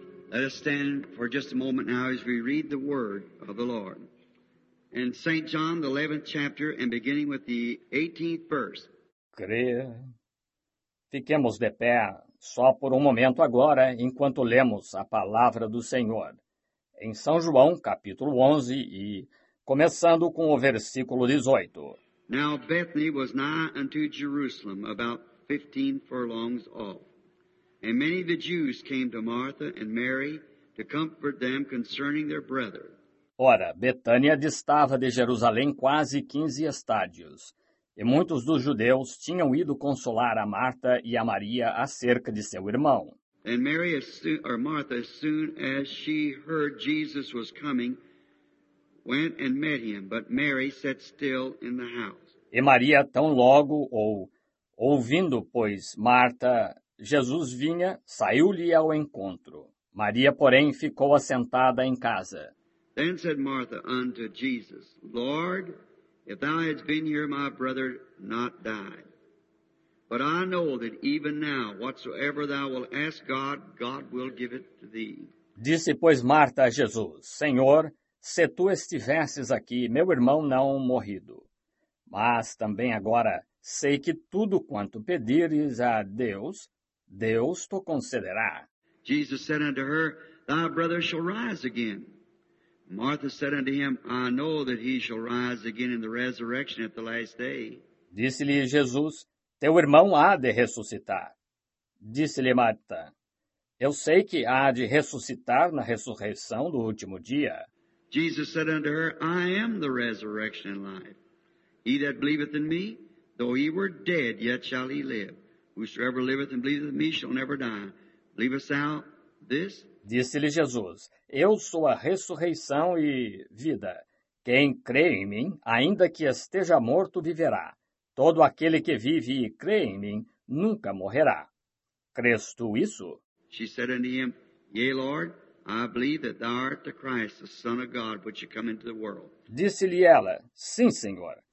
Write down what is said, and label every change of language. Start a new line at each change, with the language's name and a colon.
English: Let us stand for just a moment now as we read the word of the Lord. In St. John, the 11th chapter, and beginning with the 18th verse.
Portuguese: Creia. Fiquemos de pé só por momento agora, enquanto lemos a palavra do Senhor. Em São João, capítulo 11, e começando com o versículo 18.
English: Now Bethany was nigh unto Jerusalem, about 15 furlongs off. And many of the Jews came to Martha and Mary to comfort them concerning their brother.
Portuguese: Ora, Betânia distava de Jerusalém quase 15 estádios, e muitos dos judeus tinham ido consolar a Marta e a Maria acerca de seu irmão.
English: And Mary, as soon as she heard Jesus was coming, went and met him, but Mary sat still in the house.
Portuguese: E Maria, tão logo, ouvindo, pois, Marta, Jesus vinha, saiu-lhe ao encontro. Maria, porém, ficou assentada em casa.
English: Then said Martha unto Jesus, Lord, if thou hadst been here, my brother not died. But I know that even now, whatsoever thou wilt ask God, God will give it to thee.
Portuguese: Disse, pois, Marta a Jesus, Senhor, se tu estivesses aqui, meu irmão não morrido. Mas também agora sei que tudo quanto pedires a Deus, Deus te concederá.
English: Jesus said unto her, Thy brother shall rise again. Martha said unto him, I know that he shall rise again in the resurrection at the last day.
Portuguese: Disse-lhe Jesus, Teu irmão há de ressuscitar. Disse-lhe Marta, Eu sei que há de ressuscitar na ressurreição do último dia.
English: Jesus said unto her, I am the resurrection and life. He that believeth in me, though he were dead, yet shall he live. Whosoever liveth and believeth in me shall never die. Believest thou this?
Portuguese: Disse-lhe Jesus, Eu sou a ressurreição e vida. Quem crê em mim, ainda que esteja morto, viverá. Todo aquele que vive e crê em mim, nunca morrerá. Crês tu isso?
English: She said unto him, Yea, Lord, I believe that thou art the Christ, the Son of God, which should come into the world.
Portuguese: Disse-lhe ela, Sim, Senhor.